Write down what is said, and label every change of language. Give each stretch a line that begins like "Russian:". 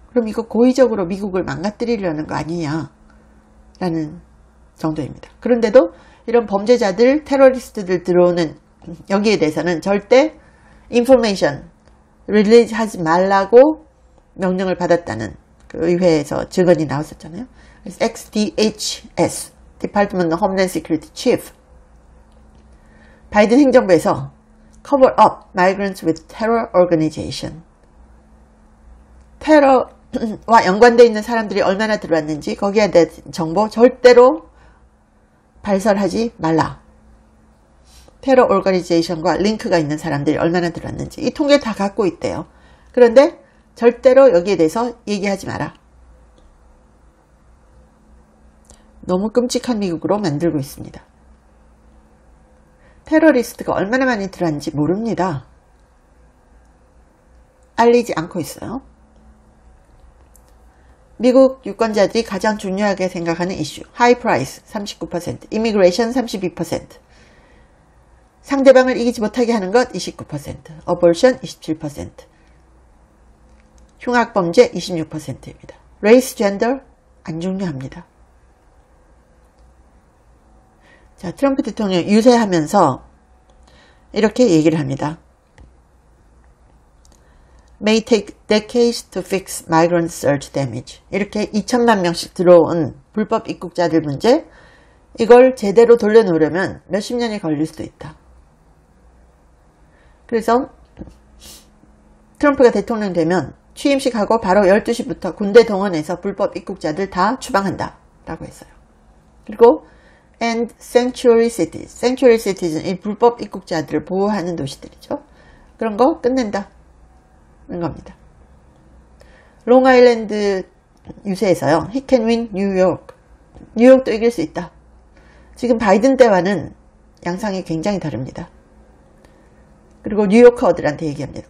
Korean: 그럼 이거 고의적으로 미국을 망가뜨리려는 거 아니냐? 라는 정도입니다. 그런데도 이런 범죄자들, 테러리스트들 들어오는 여기에 대해서는 절대
English: information release
Korean: 하지 말라고 명령을 받았다는 그 의회에서 증언이 나왔었잖아요. 그래서 XDHS,
English: Department of Homeland Security Chief.
Korean: 바이든 행정부에서
English: cover up migrants with terror organization.
Korean: 테러와 연관되어 있는 사람들이 얼마나 들어왔는지 거기에 대한 정보 절대로 발설하지 말라. 테러 오가니제이션과 링크가 있는 사람들이 얼마나 들어왔는지 이 통계 다 갖고 있대요. 그런데 절대로 여기에 대해서 얘기하지 마라. 너무 끔찍한 미국으로 만들고 있습니다. 테러리스트가 얼마나 많이 들어왔는지 모릅니다. 알리지 않고 있어요. 미국 유권자들이 가장 중요하게 생각하는 이슈. 하이 프라이스 39%, 이미그레이션 32%. 상대방을 이기지 못하게 하는 것 29%, 어볼션 27%, 흉악범죄 26%입니다. 레이스, 젠더 안 중요합니다. 자, 트럼프 대통령 유세하면서 이렇게 얘기를 합니다.
English: May take decades to fix migrant surge damage.
Korean: 이렇게 2천만 명씩 들어온 불법 입국자들 문제, 이걸 제대로 돌려놓으려면 몇십 년이 걸릴 수도 있다. 그래서 트럼프가 대통령 되면 취임식하고 바로 12시부터 군대 동원해서 불법 입국자들 다 추방한다 라고 했어요. 그리고
English: And Sanctuary Cities.
Korean: Sanctuary Cities는 이 불법 입국자들을 보호하는 도시들이죠. 그런 거 끝낸다는 겁니다. 롱아일랜드 유세에서요.
English: He can win New York.
Korean: 뉴욕도 이길 수 있다. 지금 바이든 때와는 양상이 굉장히 다릅니다. 그리고 뉴요커들한테 얘기합니다.